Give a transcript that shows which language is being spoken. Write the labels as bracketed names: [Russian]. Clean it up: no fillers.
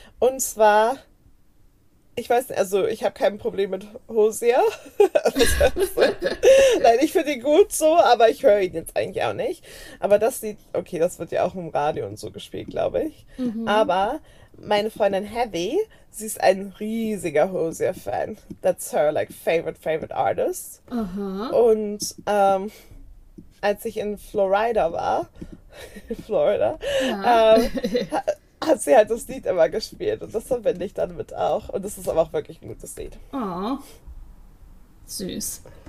[German] Und zwar, ich weiß nicht, also ich habe kein Problem mit Hozier. Nein, ich finde ihn gut so, aber ich höre ihn jetzt eigentlich auch nicht. Aber das Lied, okay, das wird ja auch im Radio und so gespielt, glaube ich. Aber meine Freundin Heavy, sie ist ein riesiger Hozier-Fan. [English] That's her, like, favorite artist. [German] Und als ich in Florida war, Florida, Ja. hat sie halt das Lied immer gespielt. Und das verbinde ich dann mit auch. Und das ist aber auch wirklich ein gutes Lied. Oh, süß.